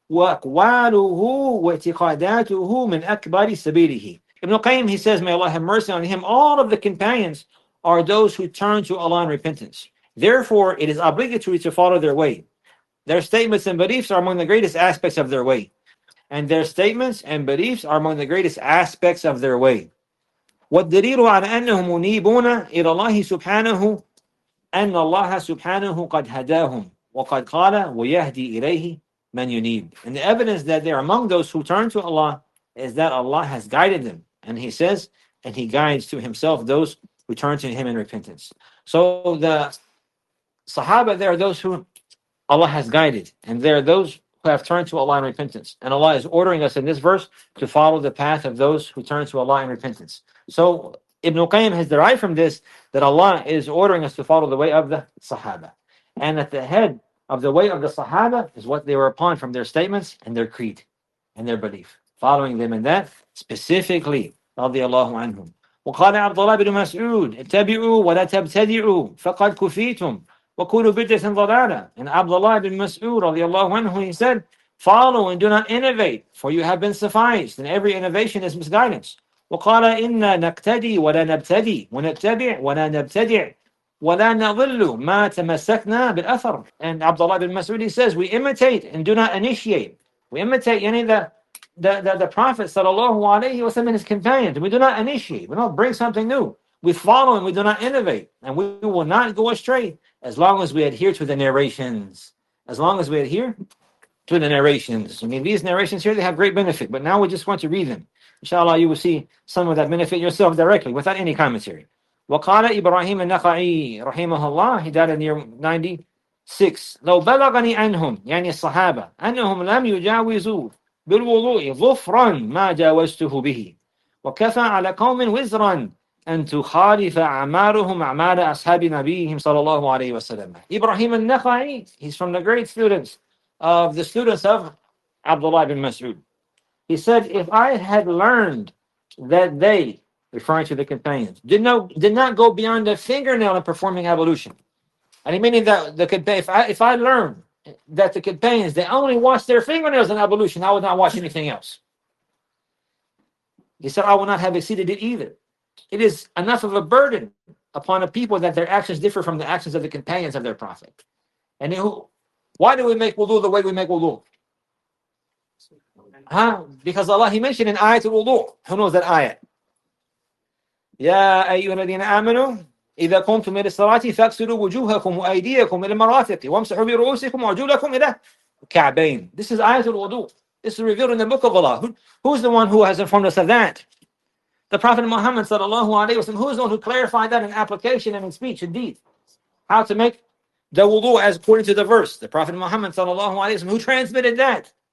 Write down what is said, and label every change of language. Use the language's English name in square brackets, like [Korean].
[Arabic] وأقواله واعتقاداته من أكبر سبيله. [English] Ibn Qayyim, he says, may Allah have mercy on him, all of the companions are those who turn to Allah in repentance. Therefore, it is obligatory to follow their way. Their statements and beliefs are among the greatest aspects of their way. And their statements and beliefs are among the greatest aspects of their way. [Arabic] والدليل على أنهم منيبون إلى الله سبحانه أن الله سبحانه قد هداهم وقد قال ويهدي إليه من ينيب. [English] And the evidence that they are among those who turn to Allah is that Allah has guided them. And he says, and he guides to himself those who turn to him in repentance. So the Sahaba, they are those who Allah has guided. And they are those who have turned to Allah in repentance. And Allah is ordering us in this verse to follow the path of those who turn to Allah in repentance. So Ibn Qayyim has derived from this that Allah is ordering us to follow the way of the Sahaba. And at the head of the way of the Sahaba is what they were upon from their statements and their creed and their belief. Following them in that specifically, رضي الله عنهم. [Arabic] وقال عبد الله بن مسعود اتبعوا ولا تبتدعوا فقد كفيتم وكونوا بدعة ضلالة. [English] And Abdullah ibn Mas'ud رضي الله عنه, he said, follow and do not innovate, for you have been sufficed, and every innovation is misguidance. [Arabic] وقال إنا نقتدي ولا نبتدي ونتبع ولا نبتدع ولا نضل ما تمسكنا بالأثر. [English] And Abdullah ibn Mas'ud, he says, we imitate and do not initiate. We imitate any of the Prophet sallallahu alayhi wa sallam and his companions. We do not initiate. We don't bring something new. We follow and we do not innovate. And we will not go astray as long as we adhere to the narrations. As long as we adhere to the narrations. I mean, these narrations here, they have great benefit. But now we just want to read them. Inshallah, you will see some of that benefit yourself directly without any commentary. [Arabic] وَقَالَ إِبْرَاهِيمَ النَّخَعِي رَحِمَهُ اللَّهُ. [English] He died in the year 96. [Arabic] لَوْ بَلَغَنِي أَنْهُمْ يعني الصحابة أَنَّهُمْ لَمْ يُجَاوِزُوا بالوضوء ظفرا ما جاوزته به وكفى على قوم وزرا أن تخالف أعمالهم أعمال أصحاب نبيهم صلى الله عليه وسلم. [English] Ibrahim al-Nakhai, he's from the great students of the students of Abdullah ibn Mas'ud. He said, if I had learned that they, referring to the companions, did not go beyond a fingernail in performing ablution. And he meaning that the if I learned that the companions, they only wash their fingernails in ablution, I would not wash anything else. He said, I would not have exceeded it either. It is enough of a burden upon a people that their actions differ from the actions of the companions of their prophet. And who? Why do we make wudu the way we make wudu? Huh? Because Allah, he mentioned in ayatul wudu. Who knows that ayat? [Arabic] Ya ayyuha alladhina amanu. إذا قمتم إلى الصلاة فاغسلوا وجوهكم وأيديكم إلى المرافق وامسحوا برؤوسكم وأرجلكم إلى الكعبين. [English] This is Ayatul Wudu. This is revealed in the Book of Allah. Who's the one who has informed us of that? The Prophet Muhammad sallallahu alaihi wasallam. Who's the one who clarified that in application and in speech and deed? How to make the wudu as according to the verse? The Prophet Muhammad sallallahu alaihi wasallam. Who transmitted that?